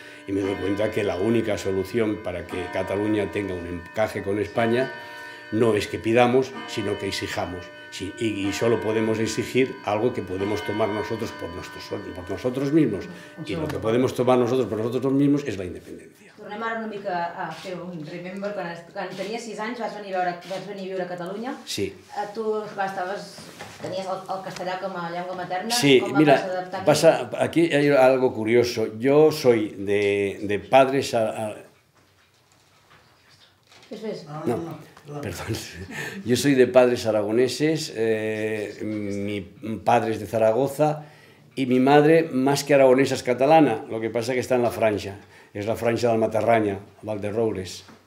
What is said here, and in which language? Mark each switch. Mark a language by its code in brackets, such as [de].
[es] Y me doy cuenta que la única solución para que Cataluña tenga un encaje con España no es que pidamos, sino que exijamos. Sí, y solo podemos exigir algo que podemos tomar nosotros por nosotros mismos. Y lo que podemos tomar nosotros por nosotros mismos es la independencia. [ca] Tornem ara una mica a fer un remember. Quan tenies 6 anys vas venir a viure a Catalunya. Sí. Tu tenies el castellà com a llengua materna. Sí, com [es] mira, aquí hay algo curioso. Yo soy de padres... ¿Fes? No. Perdón, yo soy de padres aragoneses, mi padre es de Zaragoza y mi madre, más que aragonesa, es catalana, lo que pasa es que está en la franja, es la franja de Matarraña, Valderroures.